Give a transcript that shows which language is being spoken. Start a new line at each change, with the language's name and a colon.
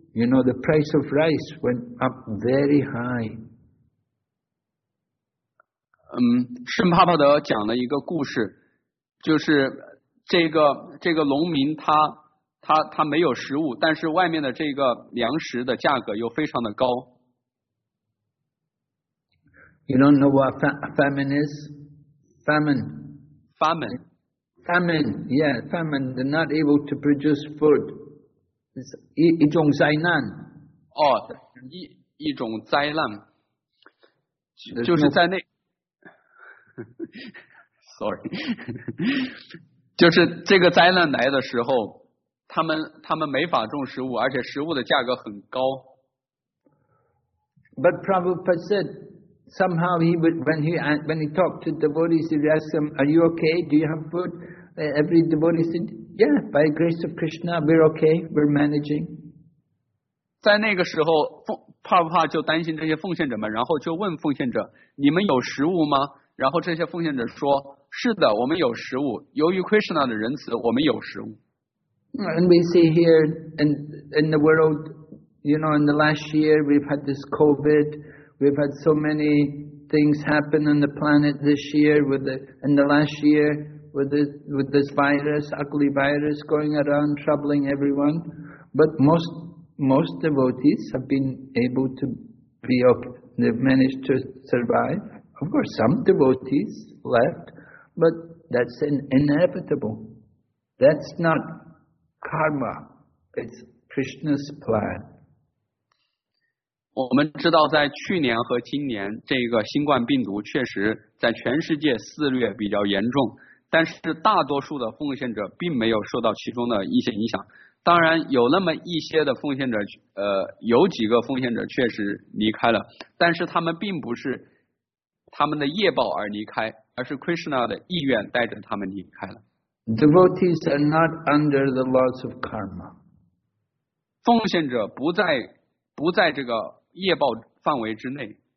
English: You know, the price of rice went up very high.
Chinese: 圣帕帕德讲了一个故事，就是这个农民他没有食物，但是外面的这个粮食的价格又非常的高。
English: You don't know what famine is? Famine. Famine. Famine. Yeah, famine. They're not able to produce food.
Chinese: It's 一种灾难。哦，一种灾难，就是在那。 Sorry， 就是这个灾难来的时候，他们没法种食物，而且食物的价格很高。
English: But Prabhupada said somehow he would when he talked to devotees, he asked them, "Are you okay? Do you have food?" Every devotee said, "Yeah, by grace of Krishna, we're okay. We're managing."
Chinese: 在那个时候，Prabhupada就担心这些奉献者们，然后就问奉献者：“你们有食物吗？” 然后这些奉献者说：“是的，我们有食物。由于 Krishna 的仁慈，我们有食物。”
English: And we see here in the world, you know, in the last year we've had this COVID, we've had so many things happen on the planet this year with this virus, ugly virus going around troubling everyone. But most devotees have been able to be okay. They've managed to survive. Of course, some devotees left, but that's inevitable. That's not karma. It's Krishna's plan.
Chinese: 我们知道，在去年和今年，这个新冠病毒确实在全世界肆虐比较严重，但是大多数的奉献者并没有受到其中的一些影响。当然，有那么一些的奉献者，有几个奉献者确实离开了，但是他们并不是。他们的业报而离开，而是 Krishna 的意愿带着他们离开了。
English: Devotees are not under the laws of karma.
Chinese: 奉献者不在这个业报范围之内。